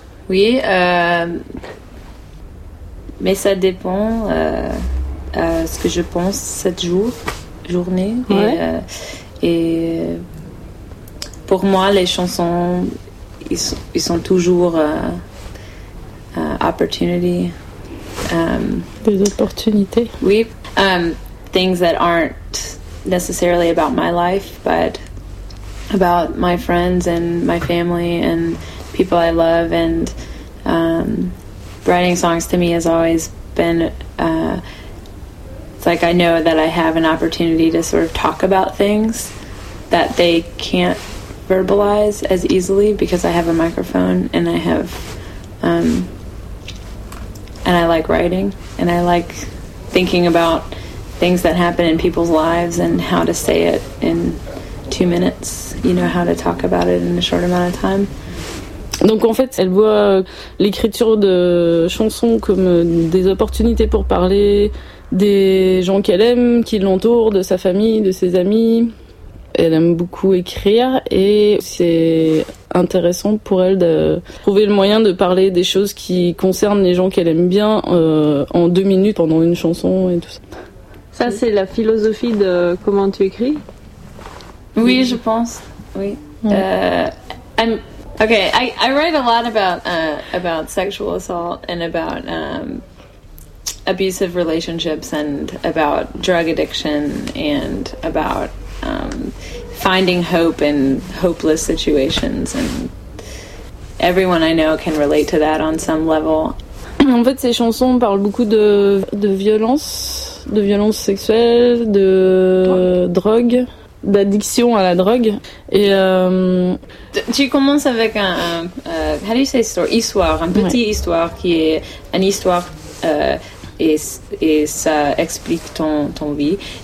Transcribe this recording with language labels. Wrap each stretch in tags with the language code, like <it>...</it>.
<fr>Oui, mais ça dépend ce que je pense cette journée. Ouais. Et pour moi, les chansons, ils sont toujours</fr> <en>opportunity.</en> <fr>Des opportunités.</fr> <en>Oui, things that aren't necessarily about my life, but about my friends and my family and people I love. And writing songs to me has always been it's like I know that I have an opportunity to sort of talk about things that they can't verbalize as easily because I have a microphone and I have and I like writing and I like thinking about things that happen in people's lives and how to say it in 2 minutes, you know, how to talk about it in a short amount of time.</en> <fr>Donc en fait, elle voit l'écriture de chansons comme des opportunités pour parler des gens qu'elle aime, qui l'entourent, de sa famille, de ses amis. Elle aime beaucoup écrire et c'est intéressant pour elle de trouver le moyen de parler des choses qui concernent les gens qu'elle aime bien en 2 minutes pendant une chanson et tout ça. Ça, c'est la philosophie de comment tu écris? Oui, je pense. Oui. Ouais.</fr> <en>I write a lot about sexual assault and about abusive relationships and about drug addiction and about finding hope in hopeless situations, and everyone I know can relate to that on some level.</en> <fr>En fait, ces chansons parlent beaucoup de violence sexuelle, de drogue. D'addiction à la drogue. Et tu commences avec un</fr> <en>how do you say story?</en> <fr>Histoire, un petit, ouais, histoire qui est une histoire et ça explique ton vie.</fr>